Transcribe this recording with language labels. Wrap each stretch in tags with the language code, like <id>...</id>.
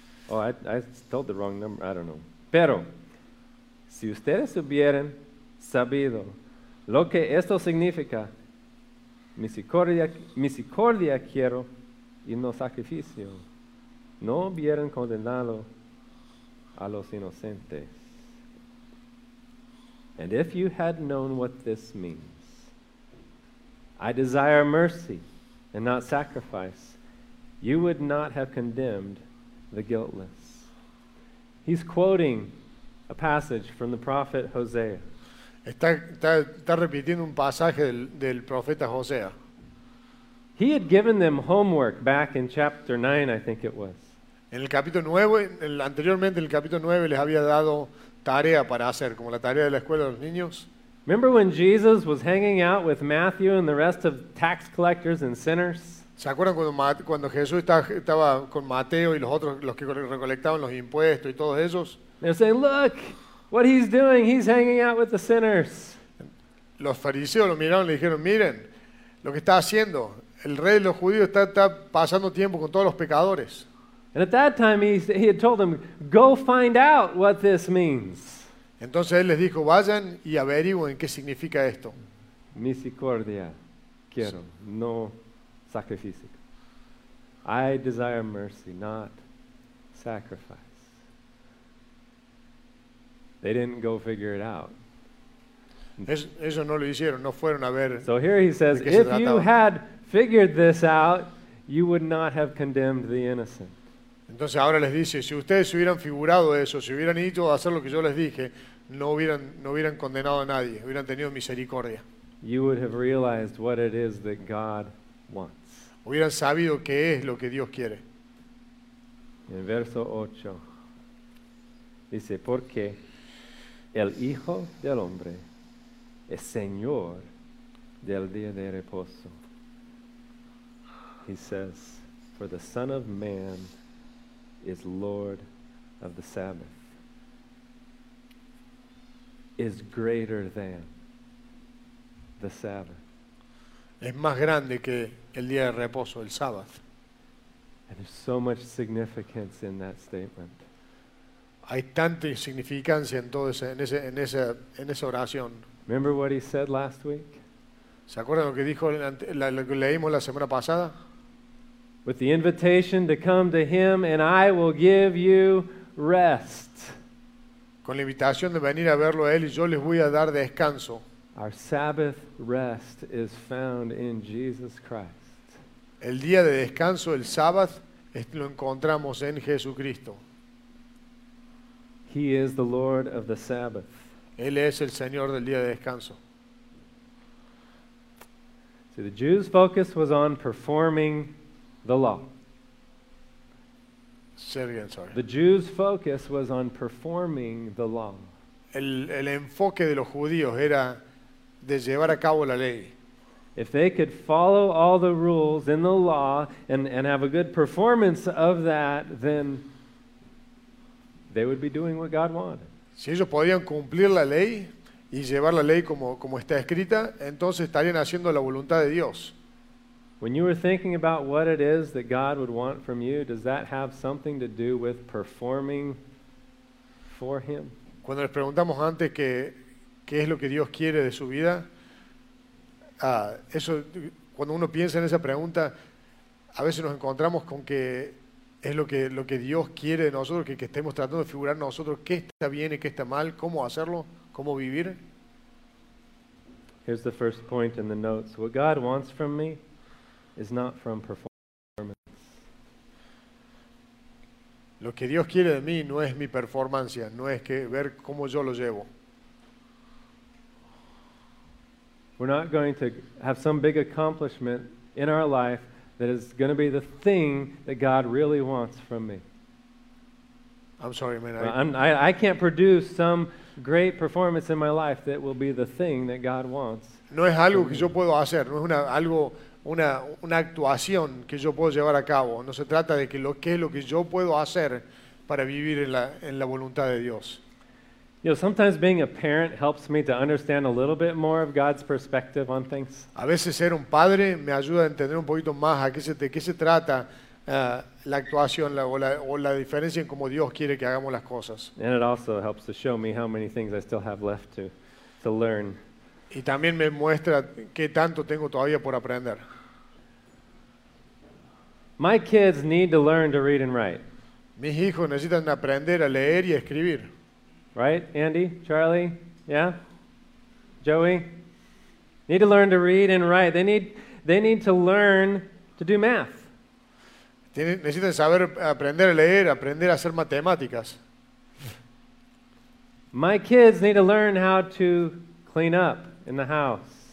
<en>Oh, I told the wrong number, I don't know.</en> <es>Pero si ustedes hubieran sabido lo que esto significa, misericordia quiero y no sacrificio, no hubieran condenado a los inocentes.</es> <en>And if you had known what this means, I desire mercy and not sacrifice, you would not have condemned the guiltless. He's quoting a passage from the prophet Hosea.</en> <es>Está repitiendo un pasaje del profeta Hosea.</es> <en>He had given them homework back in chapter 9, I think it was.</en> <es>En el capítulo 9, anteriormente en el capítulo 9 les había dado tarea para hacer, como la tarea de la escuela de los niños.</es> <en>Remember when Jesus was hanging out with Matthew and the rest of tax collectors and sinners?</en> <es>¿Se acuerdan cuando Jesús estaba con Mateo y los otros, los que recolectaban los impuestos y todos esos?</es> <en>They're saying, look, what he's doing, he's hanging out with the sinners.</en> <es>Los fariseos lo miraron y le dijeron, miren, lo que está haciendo, el rey de los judíos está pasando tiempo con todos los pecadores.</es> <en>And at that time he had told them, go find out what this means.</en> <es>Entonces él les dijo, vayan y averigüen qué significa esto. Misericordia, quiero, no sacrificio.</es> <en>I desire mercy, not sacrifice. They didn't go figure it out.</en> <es>Eso no lo hicieron, no fueron a ver.</es> <en>So here he says, if you had figured this out, you would not have condemned the innocent.</en> <es>Entonces ahora les dice, si ustedes hubieran figurado eso, si hubieran ido a hacer lo que yo les dije, no hubieran condenado a nadie, hubieran tenido misericordia.</es> <en>You would have realized what it is that God wants.</en> <es>Hubieran sabido qué es lo que Dios quiere. En verso 8 dice, ¿por qué? El Hijo del Hombre es Señor del día de reposo.</es> <en>He says, for the Son of Man is Lord of the Sabbath. Is greater than the Sabbath.</en> <es>Es más grande que el día de reposo, el Sabbath.</es> <en>And there's so much significance in that statement.</en> <es>Hay tanta significancia en todo ese, en esa oración.</es> <en>Remember what he said last week?</en> <es>¿Se acuerdan lo que dijo lo que leímos la semana pasada?</es> <en>With the invitation to come to him and I will give you rest.</en> <es>Con la invitación de venir a verlo a él y yo les voy a dar descanso.</es> <en>Our Sabbath rest is found in Jesus Christ.</en> <es>El día de descanso, el Sabbath, lo encontramos en Jesucristo.</es> <en>He is the Lord of the Sabbath.</en> <es>Él es el Señor del día de descanso.</es> <en>See, the Jews' focus was on performing the law. Say it again, sorry. The Jews' focus was on performing the law.</en> <es>El enfoque de los judíos era de llevar a cabo la ley.</es> <en>If they could follow all the rules in the law and have a good performance of that, then they would be doing what God wanted.</en> <es>Si ellos podían cumplir la ley y llevar la ley como está escrita, entonces estarían haciendo la voluntad de Dios.</es> <en>When you were thinking about what it is that God would want from you, does that have something to do with performing for Him?</en> <es>Cuando les preguntamos antes qué es lo que Dios quiere de su vida, eso, cuando uno piensa en esa pregunta, a veces nos encontramos con que es lo que Dios quiere de nosotros, que estemos tratando de figurar nosotros qué está bien y qué está mal, cómo hacerlo, cómo vivir.</es> <en>Here's the first point in the notes. What God wants from me is not from performance.</en> <es>Lo que Dios quiere de mí no es mi performance, no es que ver cómo yo lo llevo.</es> <en>We're not going to have some big accomplishment in our life that is going to be the thing that God really wants from me. I'm sorry, man. I can't produce some great performance in my life that will be the thing that God wants.</en> <es>No es algo que yo puedo hacer, no es una actuación que yo puedo llevar a cabo. No se trata de qué es lo que yo puedo hacer para vivir en la voluntad de Dios.</es> <en>You know, sometimes being a parent helps me to understand a little bit more of God's perspective on things.</en> <es>A veces ser un padre me ayuda a entender un poquito más de qué se trata la actuación o la diferencia en cómo Dios quiere que hagamos las cosas.</es> <en>And it also helps to show me how many things I still have left to learn.</en> <es>Y también me muestra qué tanto tengo todavía por aprender.</es> <en>My kids need to learn to read and write.</en> <es>Mis hijos necesitan aprender a leer y a escribir.</es> <en>Right, Andy, Charlie, yeah, Joey, need to learn to read and write. They need to learn to do math.</en> <es>Necesitan saber aprender a leer, aprender a hacer matemáticas.</es> <en>My kids need to learn how to clean up in the house.</en>